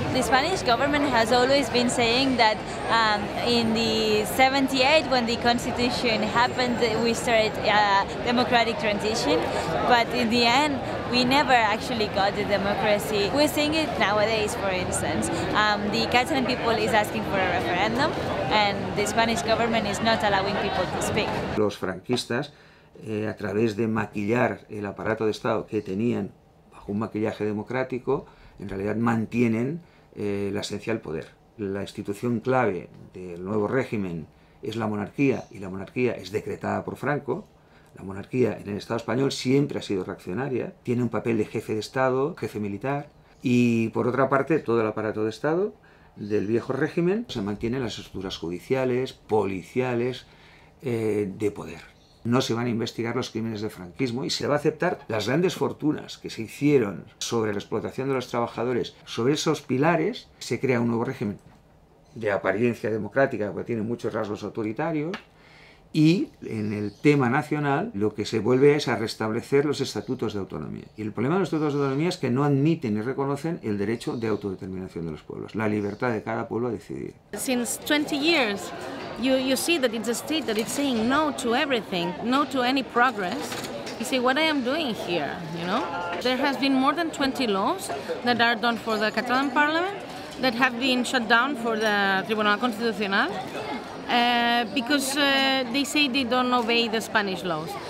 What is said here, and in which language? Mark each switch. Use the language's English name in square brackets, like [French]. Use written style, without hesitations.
[English] The Spanish government has always been saying that in the 78, when the constitution happened, we started a democratic transition, but in the end, we never actually got the democracy. We're seeing it nowadays, for instance. The Catalan people is asking for a referendum, and the Spanish government is not allowing people to speak. [Spanish] Los franquistas, a través de maquillar el aparato de Estado que tenían un maquillaje democrático, en realidad mantienen la esencia del poder. La institución clave del nuevo régimen es la monarquía, y la monarquía es decretada por Franco. La monarquía en el Estado español siempre ha sido reaccionaria, tiene un papel de jefe de Estado, jefe militar, y por otra parte todo el aparato de Estado del viejo régimen se mantiene en las estructuras judiciales, policiales, de poder. No se van a investigar los crímenes del franquismo y se va a aceptar las grandes fortunas que se hicieron sobre la explotación de los trabajadores. Sobre esos pilares se crea un nuevo régimen de apariencia democrática, que tiene muchos rasgos autoritarios, y en el tema nacional lo que se vuelve es a restablecer los estatutos de autonomía. Y el problema de los estatutos de autonomía es que no admiten ni reconocen el derecho de autodeterminación de los pueblos, la libertad de cada pueblo a decidir. [English] Since 20 years. You see that it's a state that it's saying no to everything, no to any progress. You see what I am doing here, you know? There has been more than 20 laws that are done for the Catalan Parliament that have been shut down for the Tribunal Constitucional because they say they don't obey the Spanish laws.